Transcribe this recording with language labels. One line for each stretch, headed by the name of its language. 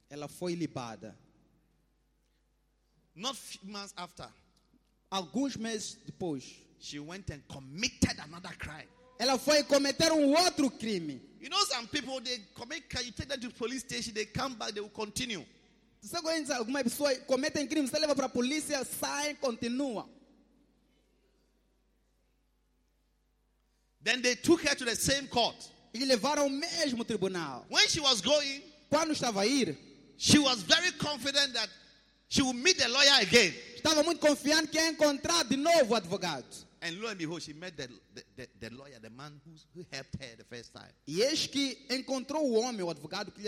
Portuguese: Ela foi libada.
English: Not few months after.
Portuguese: Alguns meses depois.
English: She went and committed another crime.
Portuguese: Ela foi cometer outro crime.
English: You know some people, they commit, you take them to the police station, they come back, they will continue.
Portuguese: Você conhece alguma pessoa que comete um crime, você leva para a polícia, sai e continua.
English: Then they took her to the same court.
Portuguese: E levaram ao mesmo tribunal.
English: When she was going,
Portuguese: quando estava a ir,
English: she was very confident that she would meet the lawyer again.
Portuguese: Estava muito confiante que ia encontrar de novo o advogado.
English: And lo and behold, she met the lawyer, the man who helped her the first time.
Portuguese: E eis que encontrou o homem, o advogado que lhe